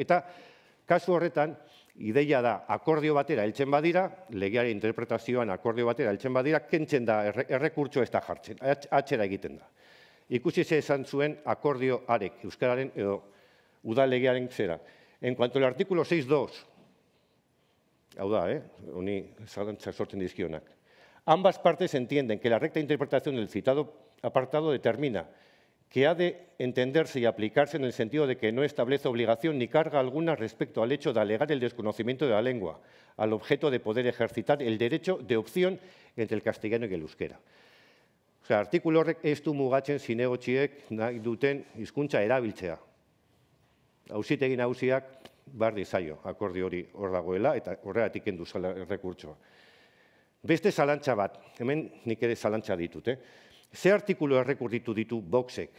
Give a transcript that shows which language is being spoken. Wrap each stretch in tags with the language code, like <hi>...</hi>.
<eu>Eta, kasu horretan, ideia da, akordio batera heltzen badira, legearen interpretazioan akordio batera heltzen badira, kentzen da errekurtsoa ez da jartzen, atxera egiten da. Ikusi ze esan zuen akordio arek, euskararen edo udalegearen zera.</eu> <es>En cuanto al artículo 6.2,</es> <eu>hau da, honi zalantza sortzen dizkionak,</eu> <es>ambas partes entienden que la recta interpretación del citado apartado determina que ha de entenderse y aplicarse en el sentido de que no establece obligación ni carga alguna respecto al hecho de alegar el desconocimiento de la lengua al objeto de poder ejercitar el derecho de opción entre el castellano y el euskera. O sea,</es> <eu>artículo horrek ez du mugatzen zinegotxiek nahi duten hizkuntza erabiltzea. Auzitegi nagusiak berdin zaio akordio hori hor dagoela eta horregatik kendu zela errekurtsoa. Beste zalantza bat, hemen nik ere zalantza ditut, Ze artikulu errekurritu ditu Voxek?</eu>